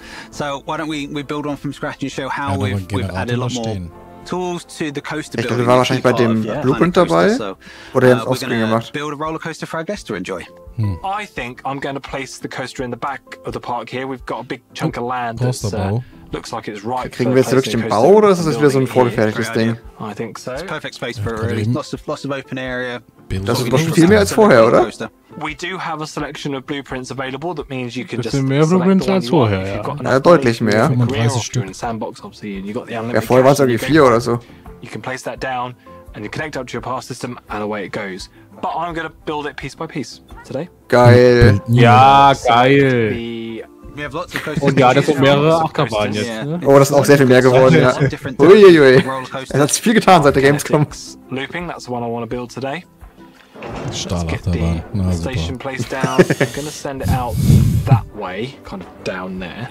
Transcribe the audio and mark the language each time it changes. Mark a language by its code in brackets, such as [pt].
[en] So, why don't we build on from scratch and show how we've added a lot more tools to the coaster. [de] Ich glaube, wir waren wahrscheinlich bei dem Blueprint dabei. Oder haben wir es ausgegangen gemacht? [en] Build a roller coaster for our guests to enjoy. I think I'm going to place the coaster in the back of the park here. We've got a big chunk of land that's looks like it's right. [de] Kriegen wir jetzt wirklich den Bau oder ist das wieder so ein vorgefertigtes Ding? [en] I think so. It's perfect space for really lots of open area. [de] Das ist schon viel mehr als vorher, oder? [en] We do have a selection of blueprints available. That means you can just [de] mehr Blueprints als vorher. Ja, deutlich mehr. 35 Stück. [en] Sandbox, obviously, and you got the unlimited. [de] Ja, vorher war es irgendwie 4 oder so. [en] You can place that down and you connect up to your power system and away it goes. But I'm gonna build it piece by piece today. [de] Geil. Ja, geil. [en] We have lots of coasters. [de] Und ja, das sind mehrere Achterbahnen jetzt. Oh, das ist auch sehr viel mehr geworden. Ja. Uiuiui. Es hat sich viel getan seit der Gamescom. [en] Looping, that's the one I want to build today. [de] Stahlachterbahn. Na, super. [en] Station place down. I'm gonna send it out that way, kind of down there.